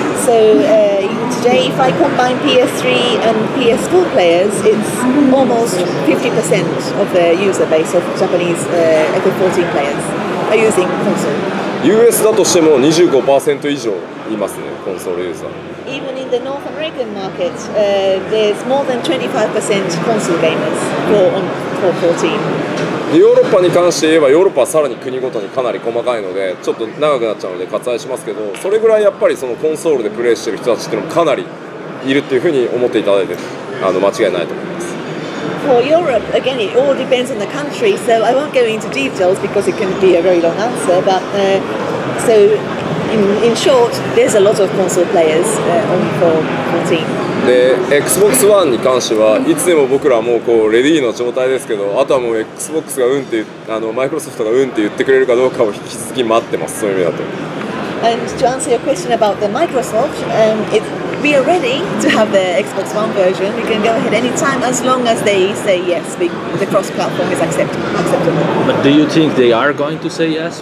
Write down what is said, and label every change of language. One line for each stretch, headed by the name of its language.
English: So, today, if I combine PS3 and PS4 players, it's almost 50% of the user base of Japanese FF14 players are using console.
Japanese: US だとしても 25% 以上いますね、コンソールユーザー。
English: Even in the North American market, there's more than 25% console gamers for 14.
Japanese: ヨーロッパに関して言えば、ヨーロッパはさらに国ごとにかなり細かいので、ちょっと長くなっちゃうので割愛しますけど、それぐらいやっぱりそのコンソールでプレイしてる人たちっていうのもかなりいるっていうふうに思っていただいて、あの間違いないと思います。
English: For Europe, again, it all depends on the country, so I won't go into details because it can be a very long answer, but so in short, there's a lot of console players on the 14.
Japanese: Xbox One に関しては、いつでも僕らはもうこうレディーの状態ですけど、あとはもう Xbox がうんって、あのマイクロソフトがうんって言ってくれるかどうかを引き続き待ってます、そういう意味だと。
English: And to answer your question about the Microsoft, we are ready to have the Xbox One version. We can go ahead anytime as long as they say yes, the cross platform is acceptable. But do you think they are going to say yes?